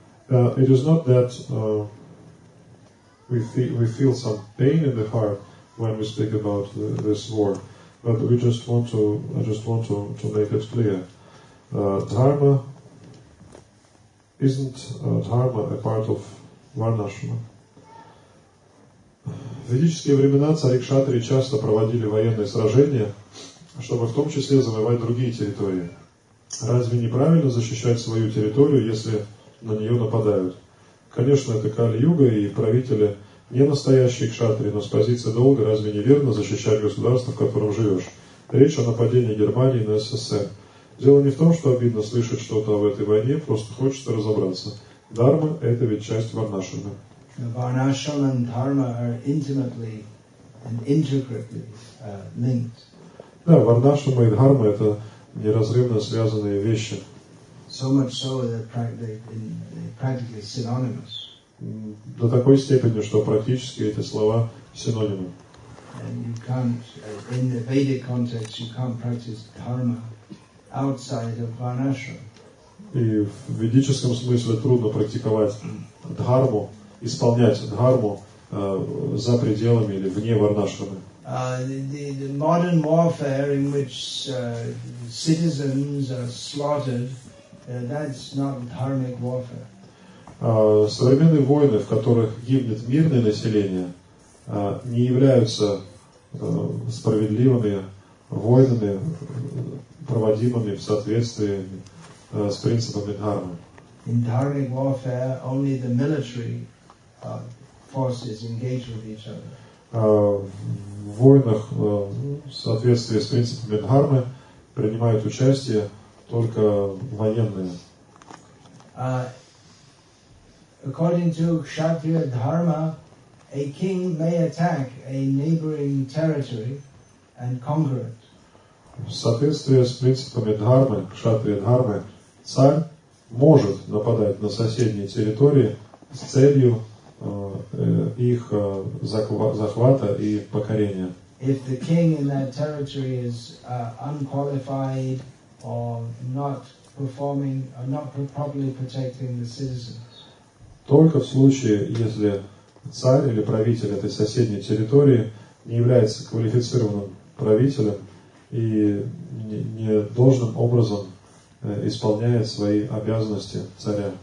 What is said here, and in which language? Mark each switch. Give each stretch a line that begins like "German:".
English: It is not that we feel some pain in the heart when we speak about this war, but we just want to, I just want to make it clear. Dharma isn't dharma a part of Varnashrama.
Russian: В ведические времена цари кшатри часто проводили военные сражения, чтобы в том числе завоевать другие территории. Разве неправильно защищать свою территорию, если на нее нападают? Конечно, это Кали-Юга, и правители не настоящие кшатри, но с позиции долга разве неверно защищать государство, в котором живешь? Речь о нападении Германии на СССР. Дело не в том, что обидно слышать что-то об этой войне, просто хочется разобраться. Дхарма – это ведь часть Варнашрама. Варнашрама и дхарма
English: are intimately and intricately linked.
Russian: Да, Варнашрама и дхарма – это неразрывно связанные вещи.
English: So much so that they're practically synonymous.
Russian: До такой степени, что практически эти слова синонимы.
English: And you can't, in the Vedic context, you can't practice dharma outside of Varnashrama.
Russian: И в ведическом смысле трудно практиковать дхарму, исполнять дхарму за пределами или вне Варнашрамы.
English: The modern warfare in which citizens are slaughtered, that's not dharmic warfare.
Russian: Современные войны, в которых гибнет мирное население, не являются справедливыми войнами, проводимыми в соответствии с принципами дхармы.
English: In dharmic warfare, only the military forces engage with each other.
Russian: В войнах в соответствии с принципами дхармы принимают участие только военные.
English: According to Kshatriya Dharma, a king may attack a neighboring territory and conquer it.
Russian: В соответствии с принципами дхармы, Кшатрия Дхармы, царь может нападать на соседние территории с целью их захвата и покорения.
English: If the king in that territory is unqualified or not performing or not properly protecting the citizens.
Russian: Только в случае, если царь или правитель этой соседней территории не является квалифицированным правителем и не должным образом исполняет свои обязанности царя.